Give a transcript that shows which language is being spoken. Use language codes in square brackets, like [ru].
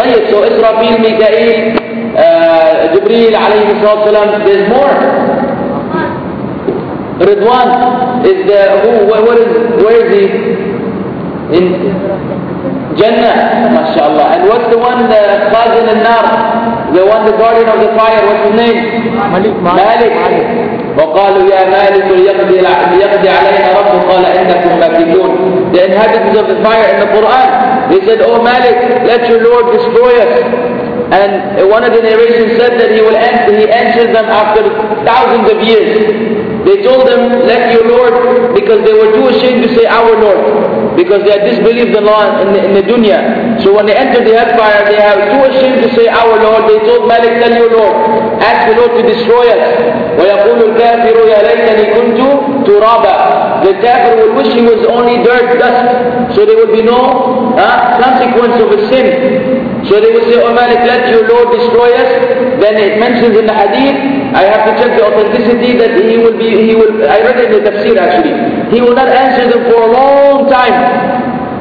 [en] So Israfil, Mikael, Jibreel alayhi salam, there's more. Ridwan is the where is he? In Jannah, mashallah. And what's the one, the Qazin al-Nar, the one, the guardian of the fire, what's his name? Malik. [ar] وقالوا يا مالك ليقضي علينا ربه قال إنكم ماكثون. [en] The inhabitants of the fire in the Quran, they said, oh Malik, let your Lord destroy us. And one of the narrations said that he answered them after thousands of years. They told them, let your Lord, because they were too ashamed to say our Lord, because they had disbelieved the law in the dunya. So when they entered the hellfire, they were too ashamed to say our Lord. They told Malik, tell your Lord, ask the Lord to destroy us. [ar] وَيَقُولُ الْكَافِرُ يَا لَيْتَنِي كُنْتُ تُرَابًا. [en] The kafir would wish he was only dirt, dust, so there would be no consequence of a sin. So they would say, oh Malik, let your Lord destroy us. Then it mentions in the hadith, I have to check the authenticity, that he will, I read it in the tafsir actually, he will not answer them for a long time.